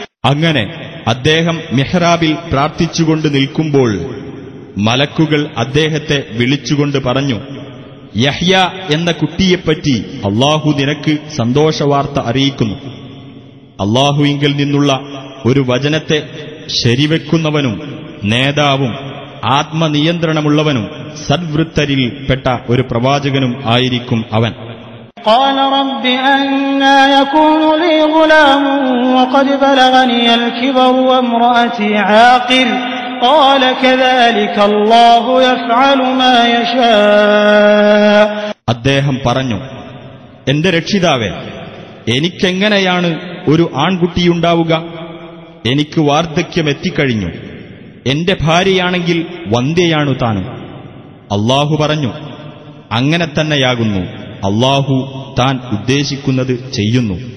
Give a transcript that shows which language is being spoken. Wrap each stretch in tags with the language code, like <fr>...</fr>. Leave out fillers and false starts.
<ml>അങ്ങനെ അദ്ദേഹം മിഹ്റാബിൽ പ്രാർത്ഥിച്ചുകൊണ്ട് നിൽക്കുമ്പോൾ മലക്കുകൾ അദ്ദേഹത്തെ വിളിച്ചുകൊണ്ട് പറഞ്ഞു, യഹ്യ എന്ന കുട്ടിയെപ്പറ്റി അല്ലാഹു നിനക്ക് സന്തോഷവാർത്ത അറിയിക്കുന്നു. അല്ലാഹുവിങ്കൽ നിന്നുള്ള ഒരു വചനത്തെ ശരിവെക്കുന്നവനും നേതാവും ആത്മനിയന്ത്രണമുള്ളവനും സദ്വൃത്തരിൽ പെട്ട ഒരു പ്രവാചകനും ആയിരിക്കും അവൻ.</ml> <ar>قال رب أنى يكون لي غلام وقد بلغني الكبر وامرأتي عاقر قال كذلك الله يفعل ما يشاء.</ar> <ml>അദ്ദേഹം പറഞ്ഞു, എന്റെ രക്ഷിതാവേ, എനിക്കെങ്ങനെയാണ് ഒരു ആൺകുട്ടിയുണ്ടാവുക? എനിക്ക് വാർദ്ധക്യമെത്തിക്കഴിഞ്ഞു. എന്റെ ഭാര്യയാണെങ്കിൽ വന്ധ്യയാണു താനും. അള്ളാഹു പറഞ്ഞു, അങ്ങനെ തന്നെയാകുന്നു. അള്ളാഹു താൻ ഉദ്ദേശിക്കുന്നത് ചെയ്യുന്നു.</ml>